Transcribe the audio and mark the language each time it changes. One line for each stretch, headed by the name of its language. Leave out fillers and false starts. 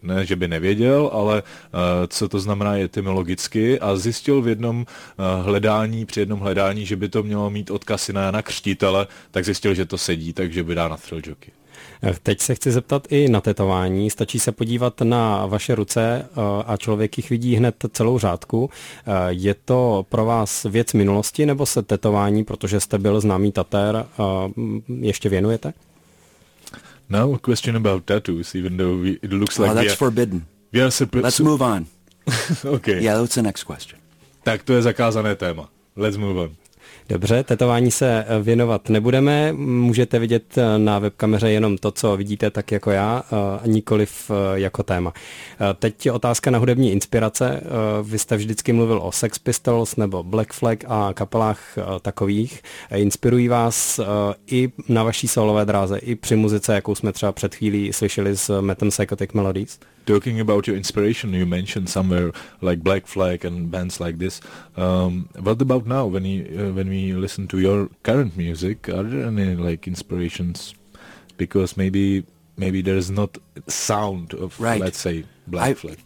Czech: Ne, že by nevěděl, ale co to znamená etymologicky, a zjistil v jednom hledání, při jednom hledání, že by to mělo mít odkaz na Jana Křtitele, tak zjistil, že to sedí, takže by dá na thrill jockey. Teď se chci zeptat i na tetování. Stačí se podívat na vaše ruce a člověk jich vidí hned celou řádku. Je to pro vás věc minulosti, nebo se tetování, protože jste byl známý tatér, ještě věnujete?
English: Now a question about tattoos, even though it looks like... Oh, that's forbidden. Let's move on. Okay. Yeah, that's the next question.
Czech: Tak to je zakázané téma.
English: Let's move on.
Czech: Dobře, tetování se věnovat nebudeme, můžete vidět na webkameře jenom to, co vidíte tak jako já, nikoliv jako téma. Teď je otázka na hudební inspirace, vy jste vždycky mluvil o Sex Pistols nebo Black Flag a kapelách takových. Inspirují vás i na vaší solové dráze, i při muzice, jakou jsme třeba před chvílí slyšeli s Mattem Psychotic Melodies?
English: Talking about your inspiration, you mentioned somewhere like Black Flag and bands like this. What about now, when we listen to your current music? Are there any like inspirations? Because maybe there is not sound of, right, let's say, Black Flag.